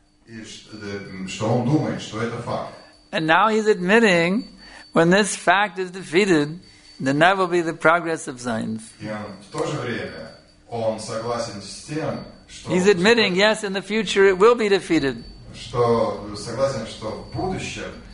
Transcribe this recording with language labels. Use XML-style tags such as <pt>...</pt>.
<ru>И что он думает, что это факт.</ru> <en>And now he's admitting, when this fact is defeated, then that will be the progress of science.</en> <ru>И он, в то же время, он согласен с тем, что...</ru> <en>He's admitting, yes, in the future it will be defeated.</en> <ru>Что согласен, что в будущем...</ru>